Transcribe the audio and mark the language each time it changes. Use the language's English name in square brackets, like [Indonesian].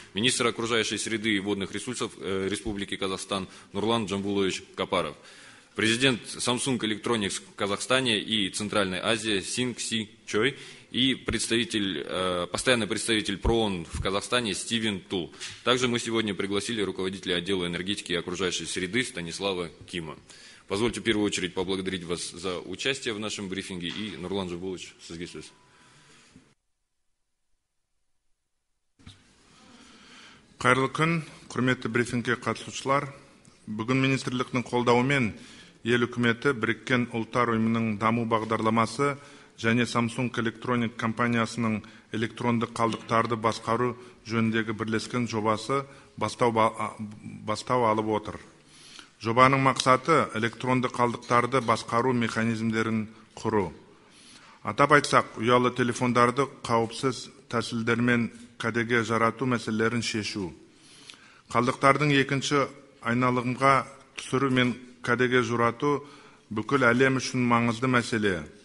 [Russian] Министр окружающей среды и водных ресурсов Республики Казахстан Нурлан Джамбулович Капаров, президент Samsung Electronics в Казахстане и Центральной Азии Синг Си Чой и постоянный представитель ПРООН в Казахстане Стивен Ту. Также мы сегодня пригласили руководителя отдела энергетики и окружающей среды Станислава Кима. Позвольте в первую очередь поблагодарить вас за участие в нашем брифинге. [Kazakh] И Нурлан Джамбулович, сезгисиз. Кайырлы күн, құрметті брифингке қатысушылар. Бүгін министрліктің қолдауымен ел үкіметі Біріккен ұлттар ұйымының даму бағдарламасы және Samsung Electronics компаниясының электронды қалдықтарды басқару жөніндегі бірлескен жобасы бастау алып отыр. Жобаның мақсаты – электронды қалдықтарды басқару механизмдерін құру. Атап айтсақ, ұялы телефондарды қауіпсіз тәсілдермен кәдеге жарату мәселелерін шешу. Қалдықтардың екінші айналығымға түсіру мен кәдеге жарату бүкіл әлем үшін маңызды мәселе.